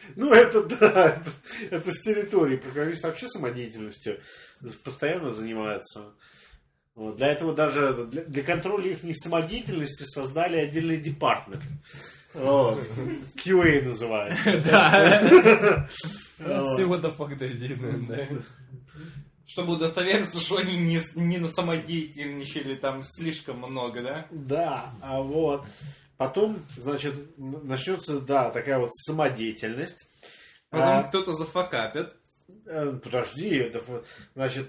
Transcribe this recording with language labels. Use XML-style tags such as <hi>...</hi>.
<ru>Ну, это да. Это с территории. Программисты вообще самодеятельностью постоянно занимаются. Вот. Для этого даже для контроля их не самодеятельности создали отдельный департмент. Вот. QA называется. Да.</ru> <en>See what the fuck they did, man.</en> <ru>Чтобы удостовериться, что они не на самодеятельничали там слишком много, да? Да, а вот... Потом, значит, начнется, да, такая вот самодеятельность. Потом кто-то зафакапит. Подожди. Это, значит,</ru>